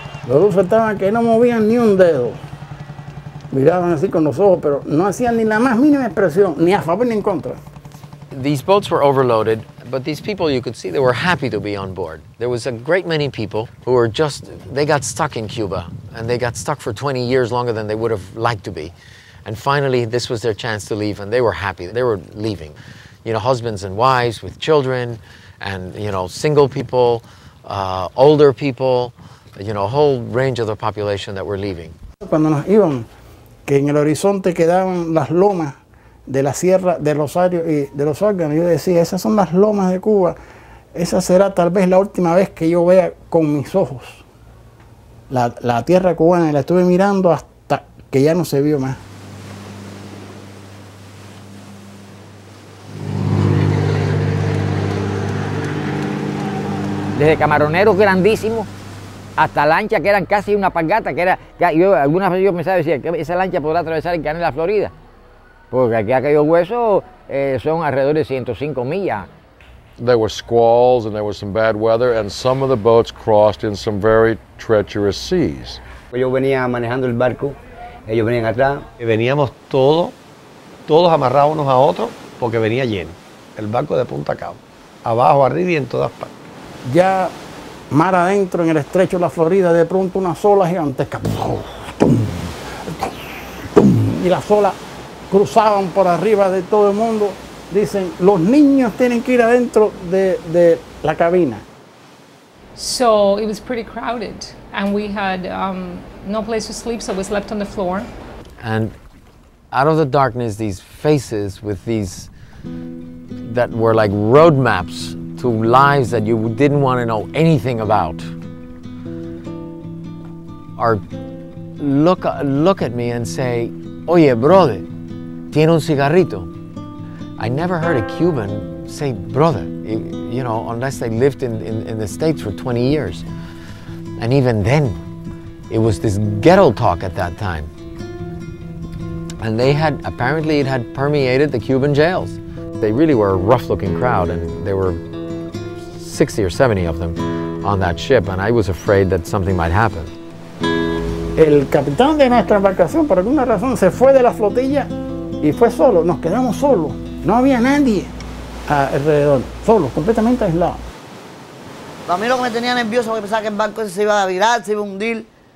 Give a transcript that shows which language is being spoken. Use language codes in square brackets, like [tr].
[es] Los rusos estaban que no movían ni un dedo. Miraban así con los ojos, pero no hacían ni la más mínima expresión, ni a favor ni en contra. [en] These boats were overloaded, but these people, you could see, they were happy to be on board. There was a great many people who were just, they got stuck in Cuba, and they got stuck for 20 years longer than they would have liked to be. And finally, this was their chance to leave, and they were happy. They were leaving. You know, husbands and wives with children, and, you know, single people, older people, you know, a whole range of the population that were leaving. [es] Cuando nos íbamos, que en el horizonte quedaban las lomas de la Sierra de Rosario y de los Órganos, yo decía, esas son las lomas de Cuba, esa será tal vez la última vez que yo vea con mis ojos la tierra cubana, y la estuve mirando hasta que ya no se vio más. Desde camaroneros grandísimos hasta lanchas que eran casi una pargata, que era, yo algunas veces yo pensaba, decía, que esa lancha podrá atravesar el canal de la Florida, porque aquí aquellos huesos son alrededor de 105 millas. [en] There were squalls and there was some bad weather and some of the boats crossed in some very treacherous seas. [es] Yo venía manejando el barco, ellos venían atrás. Veníamos todos amarrados unos a otros porque venía lleno, el barco de punta a cabo, abajo, arriba y en todas partes. Ya mar adentro en el estrecho de la Florida, de pronto una ola gigantesca. Y las olas cruzaban por arriba de todo el mundo. Dicen, los niños tienen que ir adentro de la cabina. [en] So it was pretty crowded. And we had no place to sleep, so we slept on the floor. And out of the darkness, these faces with these that were like roadmaps to lives that you didn't want to know anything about, or look at me and say, [es] oye, [en] brother, [es] ¿tiene un cigarrito? [en] I never heard a Cuban say brother, you know, unless they lived in the States for 20 years. And even then, it was this ghetto talk at that time. And they had, apparently it had permeated the Cuban jails. They really were a rough looking crowd, and they were 60 or 70 of them on that ship, and I was afraid that something might happen. [es] El capitán de nuestra embarcación, por alguna razón, se fue de la flotilla y fue solo. Nos quedamos solos. No había nadie alrededor. Solos, completamente aislados. Para mí lo que me tenía nervioso, porque pensaba que el barco se iba a virar, se iba a hundir.